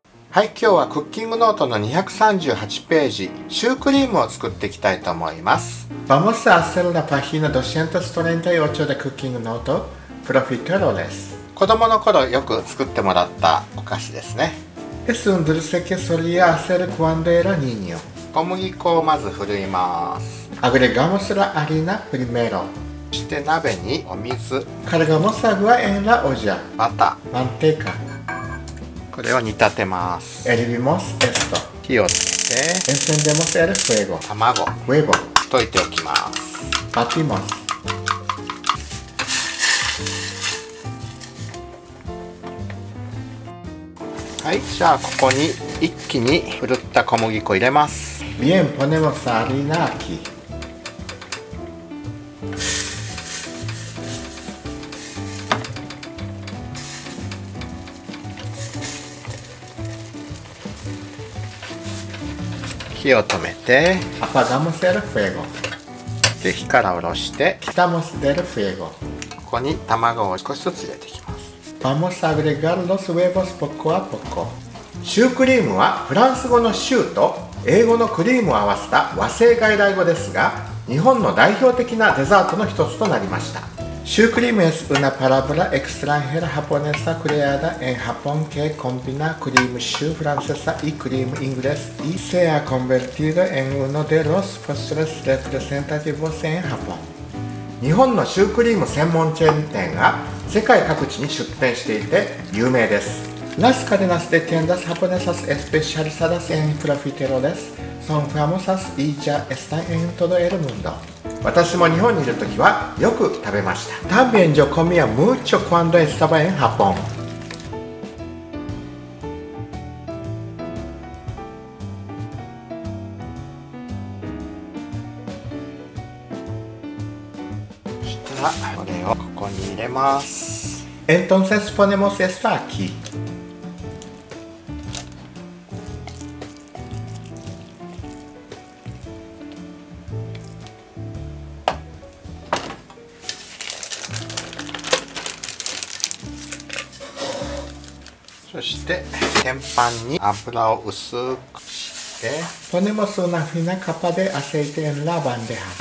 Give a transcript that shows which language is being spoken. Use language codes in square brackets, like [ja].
[ja] はい、今日はクッキングノートの238ページシュークリームを作っていきたいと思います。 [es] Vamos a hacer la página 238 de cooking note profiteroles。 [ja] 子供の頃よく作ってもらったお菓子ですね。 [es] Es un dulce que solía hacer cuando era niño。 [ja] 小麦粉をまずふるいます。 [es] Agregamos la harina primero。 [ja] そして鍋にお水。 [es] Cargamos agua en la olla。 [ja] バター [es] 。 Manteca。 [ja] これを煮立てます。 [es] Hervimos esto。 [ja] 火をつけて。 [es] Encendemos el fuego。 [ja] 卵。 [es] Huevo。 [ja] 溶いておきます。 [es] Batimos。 [ja] はい、じゃあここに一気にふるった小麦粉入れます。 [es] Bien, ponemos harina aquí。 [ja] 火を止めて、 [es] Apagamos el fuego。 [ja] で、火から下ろして、 [es] Quitamos del fuego。 [ja] ここに卵を少しずつ入れていきます。 [es] Vamos a agregar los huevos poco a poco。 [ja] シュークリームはフランス語のシューと英語のクリームを合わせた和製外来語ですが、日本の代表的なデザートの一つとなりました。シュークリームは [es] Una palabra extranjera japonesa creada en Japón que combina crème chou francesa y crème inglés y se ha convertido en uno de los postres representativos en Japón。 [ja] 日本のシュークリーム専門チェーン店が世界各地に出店していて有名です。 [es] Las cadenas de tiendas japonesas especializadas en profiteroles son famosas y ya están en todo el mundo。 [ja] 私も日本にいるときはよく食べました。 [es] También yo comía mucho cuando estaba en Japón。 [ja] そしたらこれをここに入れます。 [es] Entonces ponemos esto aquí。 [ja] そして天板に油を薄くして、 [es] ponemos una fina capa de aceite en la bandeja。